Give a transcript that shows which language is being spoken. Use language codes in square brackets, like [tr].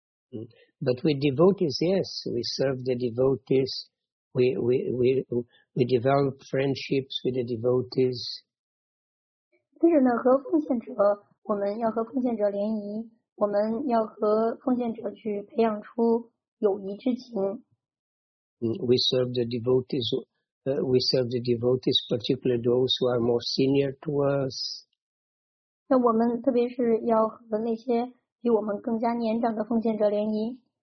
[en] But with devotees, yes, we serve the devotees. We develop friendships with the devotees. [zh] 但是呢，和奉献者，我们要和奉献者联谊，我们要和奉献者去培养出友谊之情。 [en] We serve the devotees, particularly those who are more senior to us. [zh] 那我们特别是要和那些比我们更加年长的奉献者联谊。